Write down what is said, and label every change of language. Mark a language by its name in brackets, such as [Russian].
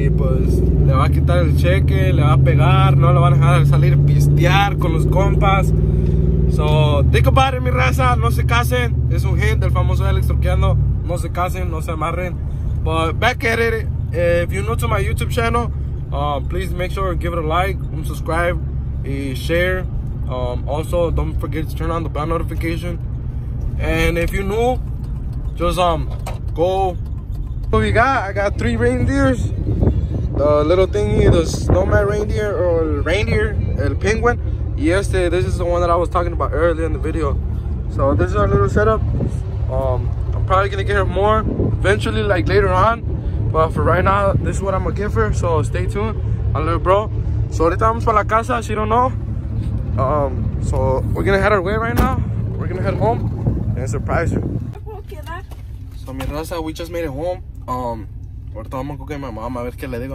[Spanish] y pues le va a quitar el cheque, le va a pegar, no lo van a dejar salir pistear con los compas. [English] So, think about it, [Spanish] mi raza, no se casen. Es un hint del famoso Alex Troqueando. No se casen, no se amarren. [English] But back at it, if you're new to my YouTube channel, please make sure to give it a like, subscribe, and share. Also, don't forget to turn on the bell notification. And if you're new, just go. What we got? I got 3 reindeers. The little thingy, the snowman reindeer, or reindeer, el penguin. Yesterday, this is the one that I was talking about earlier in the video. So this is our little setup. I'm probably gonna get her more eventually, like later on. But for right now, this is what I'm gonna give her. So stay tuned, my little bro. So [Spanish] ahorita vamos para la casa, [English] she don't know. So we're gonna head our way right now. We're gonna head home and surprise her. So [Spanish] mi raza, [English] we just made it home. [Spanish] Ahorita vamos a coger mi mamá, a ver qué le digo.